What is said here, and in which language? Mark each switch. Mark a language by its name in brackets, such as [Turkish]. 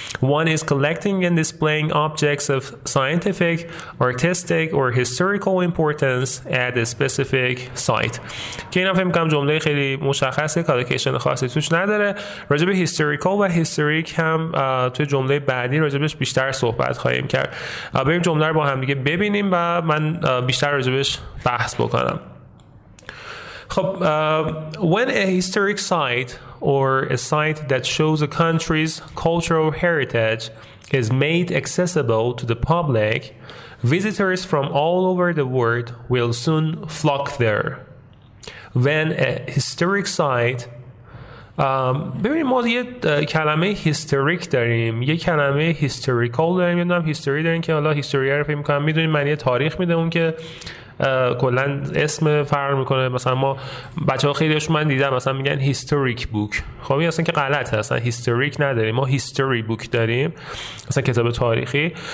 [English] One is collecting and displaying objects of scientific, artistic or historical importance at a specific site. [Persian] که این هم فهم کنم جمله خیلی مشخصه، کالکیشن خاصی توش نداره. راجب historical و historic هم توی جمله بعدی راجبش بیشتر صحبت خواهیم کرد. بریم جمله رو با هم دیگه ببینیم و من بیشتر راجبش بحث بکنم. [English] خب when a historic site or a site that shows a country's cultural heritage is made accessible to the public, visitors from all over the world will soon flock there. When a historic site [Persian] ببینید ما یه کلمه هیستوریک داریم، یه کلمه هیستوریکال داریم، یه نام هیستوری داریم که حالا هیستوری رو فهم کنم میدونیم معنی تاریخ میده، اون که کلن اسم فرق میکنه. مثلا ما بچه ها خیلی من دیدم مثلا میگن هیستوریک بوک، خب این اصلا که غلطه، اصلا هیستوریک نداریم، ما هیستوری بوک داریم، مثلا کتاب تاریخی.